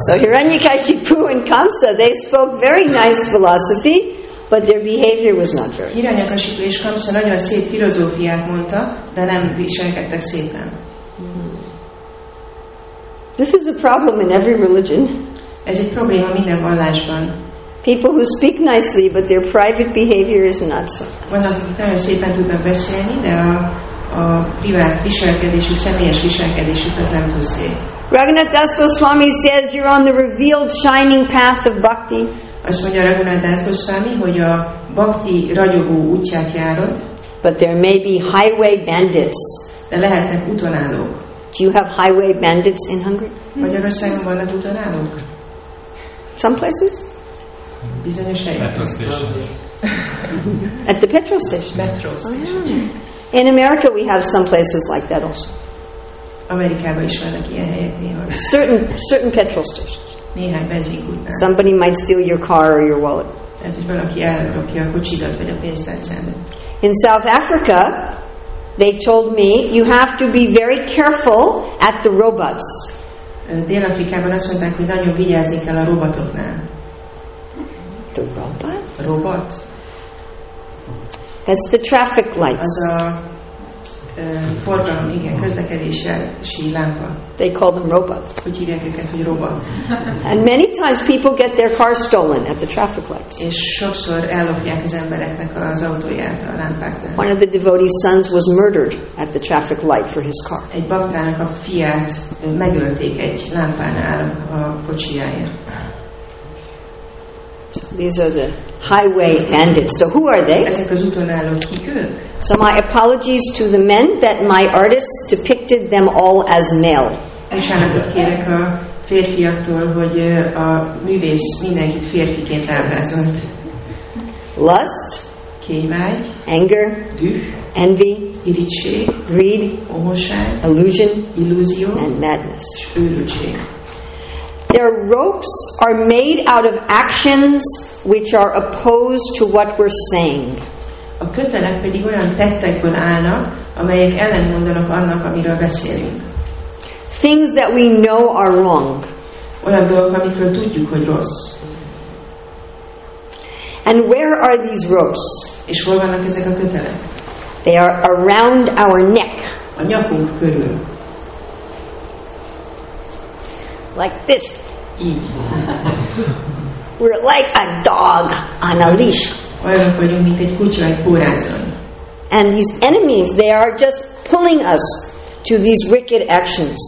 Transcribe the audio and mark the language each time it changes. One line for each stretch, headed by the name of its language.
English: So Hiranyakashipu and Kamsa, they spoke very nice philosophy, but their behavior was not very nice.
Hungarian: Hiranyakashipu és Kamsa nagyon szép filozófiát mondta, de nem viselkedtek szépen.
English: This is a problem in every religion.
Hungarian: Ez egy probléma minden vallásban.
English: People who speak nicely, but their private behavior is not so.
Hungarian: Vannak, akik nagyon szépen tudnak beszélni, de a privát viselkedésük, személyes viselkedésük az nem túl szép.
English: Raghunath Das Goswami says, you're on the revealed shining path of bhakti.
Hungarian: Azt mondja Raghunath Das Goswami, hogy a bhakti ragyogó útját járod.
English: But there may be highway bandits.
Hungarian: De lehetnek utonállók.
English: Do you have highway bandits in Hungary?
Hungarian: Magyarországon vannak utonállók?
English: Some places?
Hungarian: Bizonyos helyen.
English: Metro station. At the petrol station? Metro station. Oh, yeah. In America we have some places like that also.
Hungarian: Amerikában is vannak ilyen helyek néha.
English: Certain petrol stations.
Hungarian: Néhány benzinkútnál.
English: Somebody might steal your car or your wallet.
Hungarian: Tehát, hogy valaki elrakja a kocsidat vagy a pénztárcádat.
English: In South Africa, they told me you have to be very careful at the robots.
Hungarian: Dél-Afrikában azt mondták, hogy nagyon vigyázni kell a robotoknál.
English: The robot?
Hungarian: Robot.
English: That's the traffic lights.
Hungarian: Az a forgalom, igen, közlekedési lámpa.
English: They call them robots.
Hungarian: Úgy hívják őket, hogy robot.
English: And many times people get their cars stolen at the traffic lights.
Hungarian: És sokszor ellopják az embereknek az autóját a lámpáknál.
English: One of the devotee's sons was murdered at the traffic light for his car.
Hungarian: Egy baktának a fiát megölték egy lámpánál a kocsijáért.
English: These are the highway bandits. So who are they?
Hungarian: Ezek az utonállók, kik ők?
English: So my apologies to the men that my artists depicted them all as male.
Hungarian: Bocsánatot kérek a férfiaktól, hogy a művész mindenkit férfiként ábrázolt.
English: Lust.
Hungarian: Kémágy.
English: Anger.
Hungarian: Düh.
English: Envy.
Hungarian: Irigység.
English: Greed.
Hungarian: Omosság.
English: Illusion.
Hungarian: Illusió.
English: And madness.
Hungarian: Őrültség.
English: Their ropes are made out of actions which are opposed to what we're saying.
Hungarian: A kötelek pedig olyan tettekből állnak, amelyek ellentmondanak annak, amiről beszélünk.
English: Things that we know are wrong.
Hungarian: Olyan dolgok, amikről tudjuk, hogy rossz.
English: And where are these ropes?
Hungarian: És hol vannak ezek a kötelek?
English: They are around our neck.
Hungarian: A nyakunk körül.
English: Like this. We're like a dog on a leash.
Hungarian: Olyanok vagyunk, mint egy kutya egy pórázon.
English: And these enemies, they are just pulling us to these wicked actions.